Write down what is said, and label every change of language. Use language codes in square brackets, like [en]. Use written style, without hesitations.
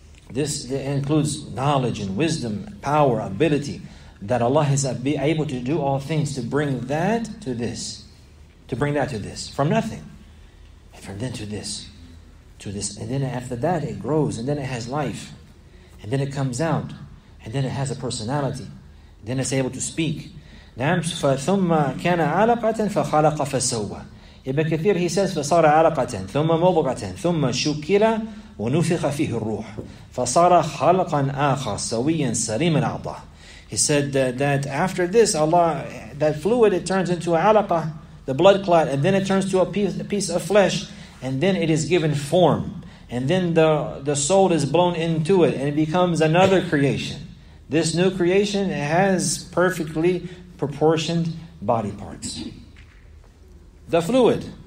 [en] this includes knowledge and wisdom power ability that Allah is able to do all things to bring that to this To bring that to this, from nothing, and from then to this, and then after that it grows, and then it has life, and then it comes out, and then it has a personality, and then it's able to speak. [ar] نعم فثم كان علقة فخلق فسوى. Ibn Kathir [en] he says [ar] فصار علقة ثم مضغة ثم شكل ونفخ فيه الروح فصار خلقا آخر سويا سليما الأعضاء. [en] He said that after this Allah that fluid it turns into علقة. The blood clot, and then it turns to a piece of flesh, and then it is given form, and then the soul is blown into it, and it becomes another creation. This new creation has perfectly proportioned body parts. The fluid.